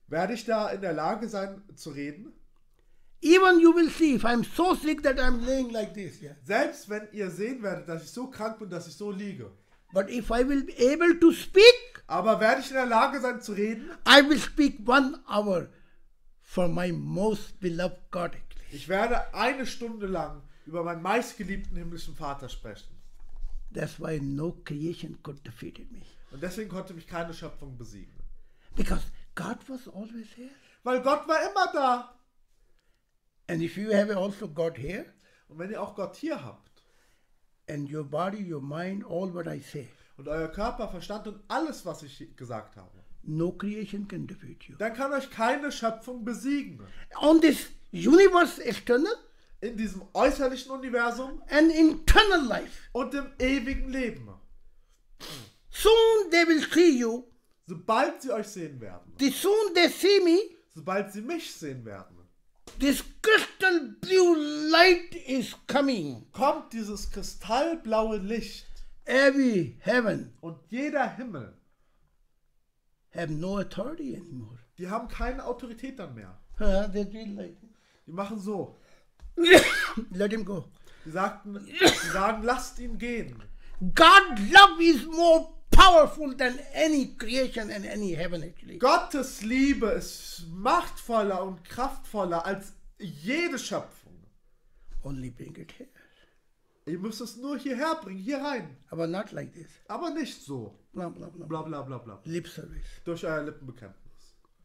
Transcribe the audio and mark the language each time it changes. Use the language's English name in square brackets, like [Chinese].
[German] Werde ich da in der Lage sein zu reden? [English] Even you will see if I'm so sick that I'm laying like this. Yeah. [German] Selbst wenn ihr sehen werdet, dass ich so krank bin, dass ich so liege. [English] But if I will be able to speak. [German] Aber werde ich in der Lage sein zu reden? [English] I will speak 1 hour for my most beloved God. [German] Ich werde eine Stunde lang über meinen meistgeliebten himmlischen Vater sprechen. [English] That's why no creation could defeat me. [German] Und deswegen konnte mich keine Schöpfung besiegen. [English] Because God was always here. [German] Weil Gott war immer da. [English] And if you have also God here. [German] Und wenn ihr auch Gott hier habt. [English] And your body, your mind, all what I say. [German] Und euer Körper, Verstand und alles, was ich gesagt habe. [English] No creation can defeat you. [German] Dann kann euch keine Schöpfung besiegen. [English] On this universe eternal. [German] In diesem äußerlichen Universum. [English] An internal life. [German] Und im ewigen Leben. [English] Soon they will see you. [German] Sobald sie euch sehen werden. [English] The soon they see me. [German] Sobald sie mich sehen werden. [English] This crystal blue light is coming. [German] Kommt dieses kristallblaue Licht. [English] Every heaven. [German] Und jeder Himmel. [English] Have no authority anymore. [German] Die haben keine Autorität dann mehr. Die machen so. [English] Let him go. [German] Die sagen, lasst ihn gehen. [English] God's love is more powerful than any creation and any heaven actually. [German] Gottes Liebe ist machtvoller und kraftvoller als jede Schöpfung. [English] Only bring it here. [German] Ihr müsst es nur hierher bringen, hier rein. [English] Aber not like this. [German] Aber nicht so. Bla bla bla bla bla bla bla. [English] Lip service. [German] Durch euer Lippenbekenntnis.